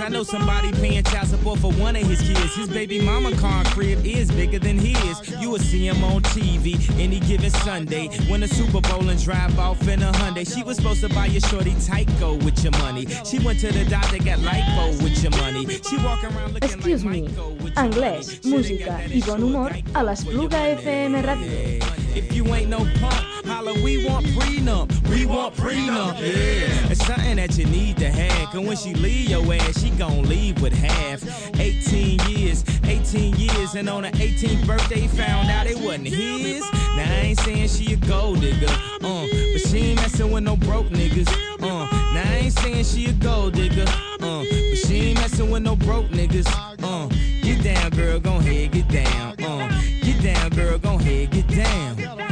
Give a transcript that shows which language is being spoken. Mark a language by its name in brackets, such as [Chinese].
[English] I know somebody paying child support for one of his kids. His baby mama car crib is bigger than his. You will see him on TV any given Sunday. Win a Super Bowl and drive off in a Hyundai. She was supposed to buy your shorty Tyco with your money. She went to the doctor, got lipo with your money. She walk around looking like Michael with your money. [Catalan] anglès, música i bon humor a l'Espluga FM Radio. [English] If you ain't no punk, holla, we want prenup, we want prenup, yeah. It's something that you need to have, cause when she leave your ass, she gon' leave with half. 18 years, 18 years, and on her 18th birthday, found out it wasn't his. Now I ain't saying she a gold digger, but she ain't messing with no broke niggas, Now I ain't saying she a gold digger, but she ain't messing with no broke niggas, Get down, girl, gon' head, get down, Get down, girl, gon' head, get down.